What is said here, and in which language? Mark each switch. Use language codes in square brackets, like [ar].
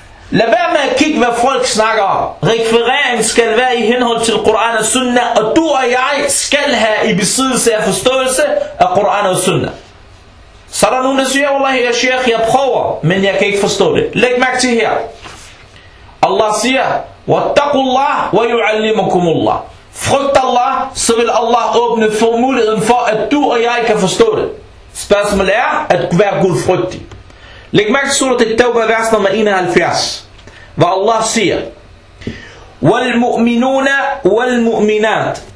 [da] Lad være med at kigge, hvad folk snakker om. Rekvirering skal være i henhold til Quran og Sunnah, og du og jeg skal have i besiddelse af forståelse af Quran og Sunnah. Så er der nogen, der siger, Allah, jeg er sheikh, jeg prøver, men jeg kan ikke forstå det. Læg mærke til her. Allah siger, [ar] وَاتَّقُوا اللَّهُ وَيُعَلِّمُكُمُ اللَّهُ. [da] Frygt Allah, så vil Allah åbne for muligheden for, at du og jeg kan forstå det. Spørgsmålet er, at være gudfrygtig. Læg mærke til surat at-Tawbah, vers nummer 71, hvor Allah siger, [ar] وَالْمُؤْمِنُونَ وَالْمُؤْمِنَاتِ.